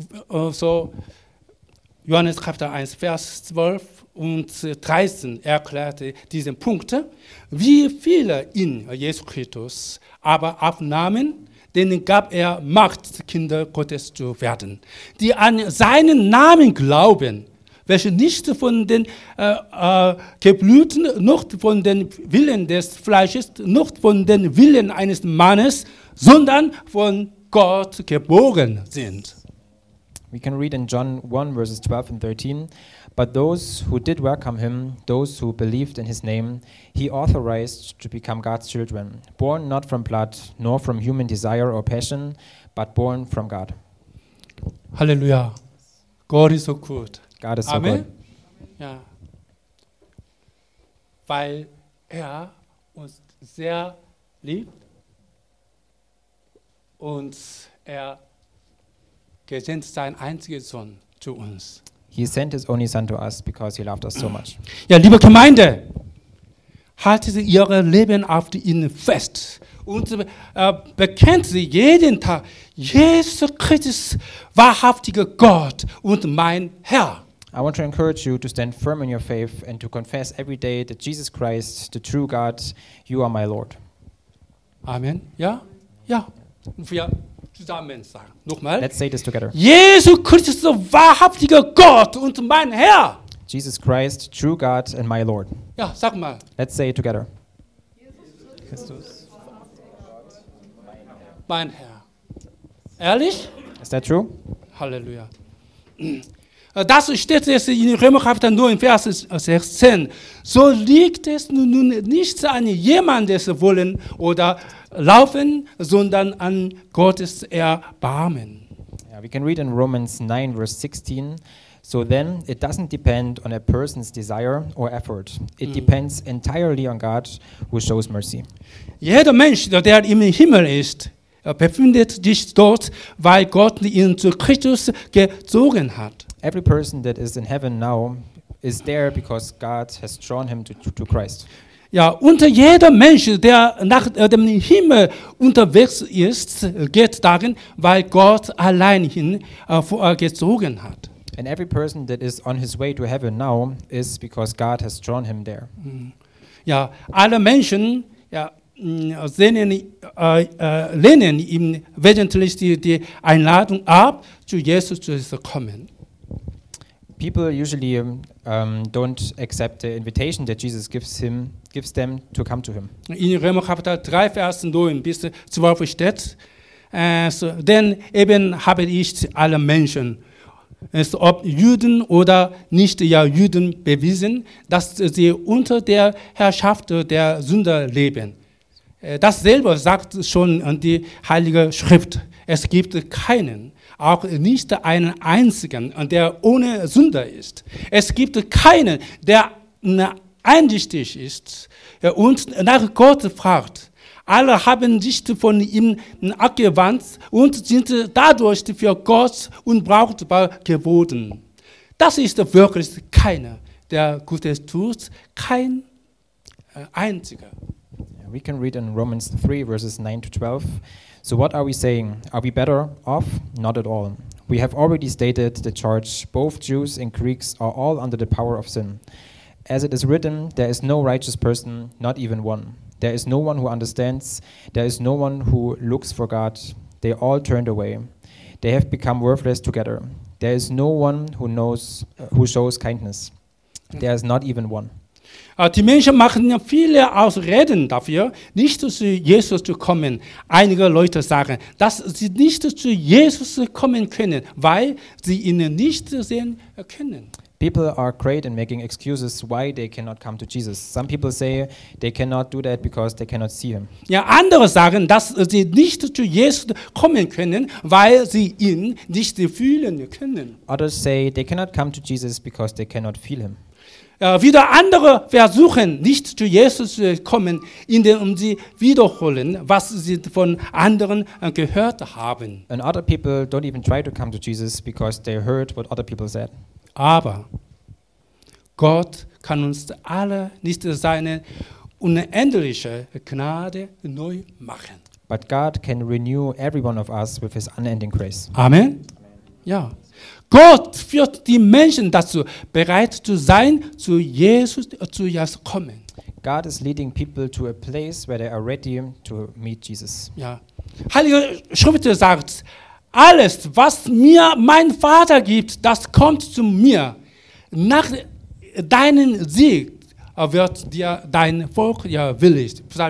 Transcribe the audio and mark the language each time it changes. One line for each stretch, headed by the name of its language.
German: So, Johannes Kapitel 1, Vers 12 und 13 erklärte diesen Punkt, wie viele in Jesus Christus aber aufnahmen, denen gab er Macht, Kinder Gottes zu werden, die an seinen Namen glauben, welche nicht von den Geblüten, noch von den Willen des Fleisches, noch von den Willen eines Mannes, sondern von Gott geboren sind.
English: We can read in John 1, verses 12 and 13, but those who did welcome him, those who believed in his name, he authorized to become God's children, born not from blood, nor from human desire or passion, but born from God. Hallelujah. God is so good. God is so Amen. Good. Ja.
German: Weil uns sehr liebt und gesandt seinen einzigen Sohn zu uns.
English: He sent his only son to us because he loved us so much.
German: Ja, liebe Gemeinde, halten sie ihr Leben auf ihn fest und bekennt sie jeden Tag, Jesus Christus, wahrhaftiger Gott und mein Herr.
English: I want to encourage you to stand firm in your faith and to confess every day that Jesus Christ, the true God, you are my Lord.
German: Amen. Ja? Ja. Und wir zusammen sagen. Nochmal.
English: Let's say this together.
German: Jesus Christus, wahrhaftiger Gott und mein Herr.
English: Jesus Christ, true God and my Lord.
German: Ja, sag mal.
English: Let's say it together.
German: Jesus Christus, mein Herr. Mein Herr. Ehrlich?
English: Is that true?
German: Halleluja. Das steht jetzt in Römer Kapitel 9, Vers 16. So liegt es nun nicht an jemandes Wollen oder Laufen, sondern an Gottes Erbarmen.
English: Yeah, we can read in Romans 9, verse 16. So then, it doesn't depend on a person's desire or effort. It depends entirely on God, who shows mercy.
German: Jeder Mensch, der im Himmel ist, befindet sich dort, weil Gott ihn zu Christus gezogen hat.
English: Every person that is in heaven now is there because God has drawn him to Christ.
German: Ja, und jeder Mensch, der nach dem Himmel unterwegs ist, geht darin, weil Gott allein ihn vorgezogen hat.
English: And every person that is on his way to heaven now is because God has drawn him there.
German: Ja, alle Menschen, ja, sehnen, lehnen ihm wesentlich die Einladung ab, zu Jesus zu kommen.
English: People usually don't accept the invitation that Jesus gives them to come to him.
German: In Römer Kapitel 3, Vers 9 bis 12 steht, denn eben habe ich alle Menschen, es ob Juden oder nicht ja Juden, bewiesen, dass sie unter der Herrschaft der Sünder leben. Das selber sagt schon die Heilige Schrift. Es gibt keinen, auch nicht einen einzigen, der ohne Sünder ist. Es gibt keinen, der einsichtig ist und nach Gott fragt. Alle haben sich von ihm abgewandt und sind dadurch für Gott unbrauchbar geworden. Das ist wirklich keiner, der Gutes tut, kein einziger.
English: We can read in Romans 3, verses 9 to 12. So what are we saying? Are we better off? Not at all. We have already stated the charge, both Jews and Greeks are all under the power of sin. As it is written, there is no righteous person, not even one. There is no one who understands. There is no one who looks for God. They all turned away. They have become worthless together. There is no one who knows, who shows kindness. There is not even one.
German: Die Menschen machen viele Ausreden dafür, nicht zu Jesus zu kommen. Einige Leute sagen, dass sie nicht zu Jesus kommen können, weil sie ihn nicht sehen können.
English: People are great in making excuses why they cannot come to Jesus. Some people say they cannot do that because they cannot see him.
German: Ja, andere sagen, dass sie nicht zu Jesus kommen können, weil sie ihn nicht fühlen können.
English: Others say they cannot come to Jesus because they cannot feel him.
German: Wieder andere versuchen, nicht zu Jesus zu kommen, indem sie wiederholen, was sie von anderen gehört haben.
English: And other people don't even try to come to Jesus because they heard what other people said.
German: Aber Gott kann uns alle nicht seine unendliche Gnade neu machen.
English: But God can renew every one of us with his unending grace.
German: Amen. Ja. Gott führt die Menschen dazu, bereit zu sein, zu Jesus kommen.
English: God is leading people to a place where they are ready to meet Jesus.
German: Ja. Heilige Schrift sagt, alles, was mir mein Vater gibt, das kommt zu mir. Nach deinem Sieg wird dir dein Volk ja willig.